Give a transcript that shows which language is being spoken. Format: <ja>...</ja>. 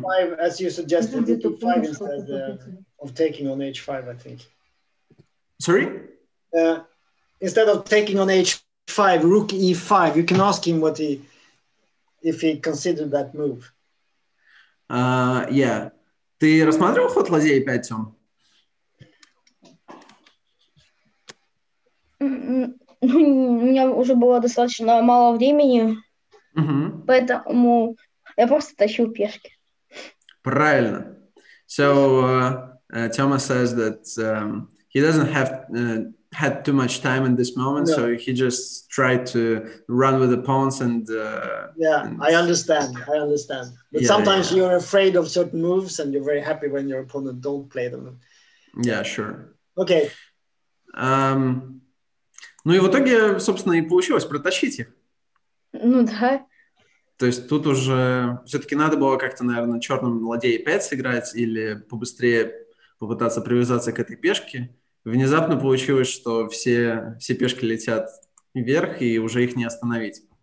<en>five, as you suggested, the two five instead of taking on h5, I think. Sorry? Instead of taking on h5, rook e5, you can ask him if he considered that move. Yeah.</en> <ru>Ты рассматривал ход ладья e5, Тём? Ну, у меня уже было достаточно мало времени, uh-huh. Поэтому я просто тащил пешки. Правильно.</ru> <en>So, Tioma says that he doesn't have had too much time in this moment, no. So he just tried to run with the pawns and... I understand. But yeah, sometimes you're afraid of certain moves and you're very happy when your opponent don't play them. Yeah, sure. Okay.</en> <ru>Ну и в итоге, собственно, и получилось протащить их. Ну да. То есть тут уже все-таки надо было как-то, наверное, черным ладьей 5 сыграть или побыстрее попытаться привязаться к этой пешке. Внезапно получилось, что все пешки летят вверх и уже их не остановить.</ru>